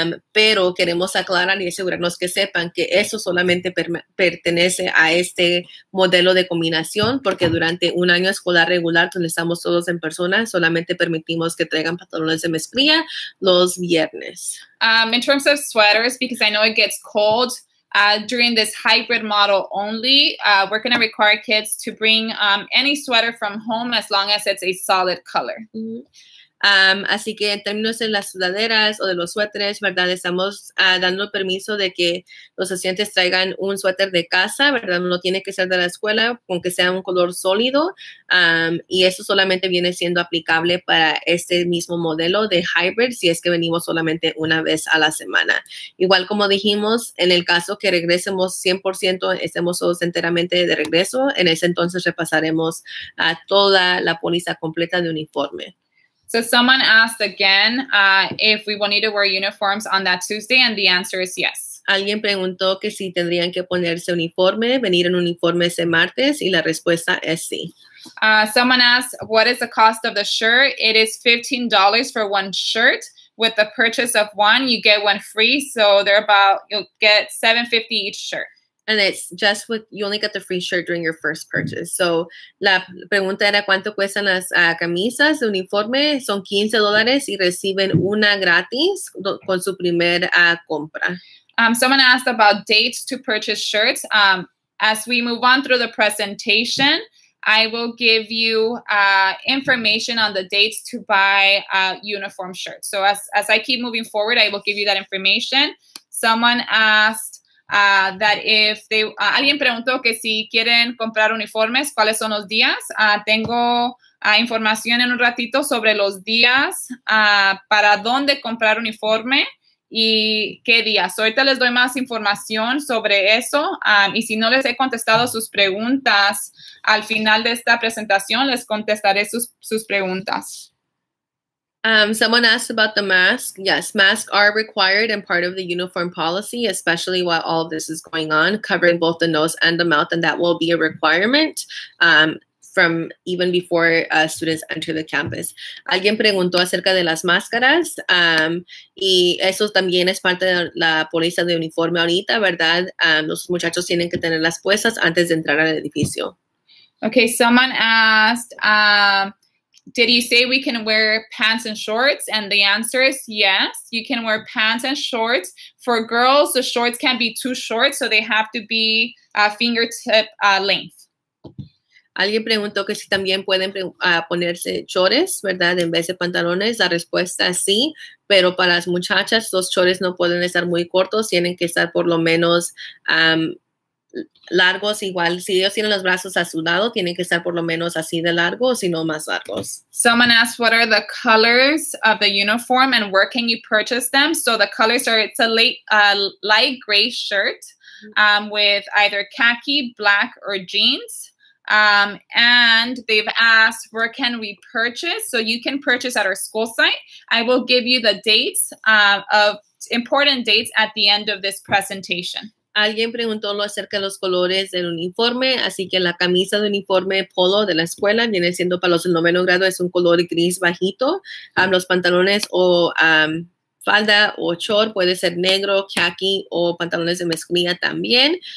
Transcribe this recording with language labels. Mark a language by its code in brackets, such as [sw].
[es] pero queremos aclarar y asegurarnos que sepan que eso solamente pertenece a este modelo de combinación, porque durante un año escolar regular, donde estamos todos en persona, solamente permitimos que traigan pantalones de mezclilla los viernes. [en] In terms of sweaters, because I know it gets cold, during this hybrid model only, we're going to require kids to bring any sweater from home as long as it's a solid color. [es] Así que en términos de las sudaderas o de los suéteres, ¿verdad? Estamos dando permiso de que los estudiantes traigan un suéter de casa, ¿verdad? No tiene que ser de la escuela, con que sea un color sólido. Y eso solamente viene siendo aplicable para este mismo modelo de hybrid, si es que venimos solamente una vez a la semana. Igual como dijimos, en el caso que regresemos 100%, estemos todos enteramente de regreso, en ese entonces repasaremos toda la póliza completa de uniforme. [en] So someone asked again if we will need to wear uniforms on that Tuesday, and the answer is yes. [es] Alguien preguntó que si tendrían que ponerse uniforme, venir en uniforme ese martes, y la respuesta es sí. [en] Someone asked, what is the cost of the shirt? It is $15 for one shirt. With the purchase of one, you get one free, so they're about, you'll get $7.50 each shirt. And it's just with, you only get the free shirt during your first purchase. [es] So, la pregunta era, ¿cuánto cuestan las camisas de uniforme? Son $15 y reciben una gratis con su primer compra. [en] Someone asked about dates to purchase shirts. As we move on through the presentation, I will give you information on the dates to buy a uniform shirt. So, as I keep moving forward, I will give you that information. Someone asked, [es] alguien preguntó que si quieren comprar uniformes, ¿cuáles son los días? Tengo información en un ratito sobre los días, para dónde comprar uniforme y qué días. Ahorita les doy más información sobre eso. Y si no les he contestado sus preguntas, al final de esta presentación les contestaré sus preguntas. [en] Someone asked about the mask. Yes, masks are required and part of the uniform policy, especially while all of this is going on, covering both the nose and the mouth, and that will be a requirement from even before students enter the campus. [es] Alguien preguntó acerca de las máscaras, y eso también es parte de la póliza de uniforme ahorita, ¿verdad? Los muchachos tienen que tenerlas puestas antes de entrar al edificio. [en] Okay, someone asked, did you say we can wear pants and shorts? And the answer is yes, you can wear pants and shorts. For girls, the shorts can be too short, so they have to be fingertip length. [es] Alguien preguntó que si también pueden ponerse chores, ¿verdad? En vez de pantalones, la respuesta es sí, pero para las muchachas, los chores no pueden estar muy cortos, tienen que estar por lo menos largos igual. Si ellos tienen los brazos a su lado, tienen que estar por lo menos así de largo, si no más largos. [en] Someone asked, what are the colors of the uniform and where can you purchase them? So the colors are, it's a light gray shirt with either khaki, black, or jeans. And they've asked, where can we purchase? So you can purchase at our school site. I will give you the dates of important dates at the end of this presentation. [es] Alguien preguntó lo acerca de los colores del uniforme, así que la camisa de uniforme polo de la escuela viene siendo para los del noveno grado, es un color gris bajito. Los pantalones o falda o short puede ser negro, khaki o pantalones de mezclilla también.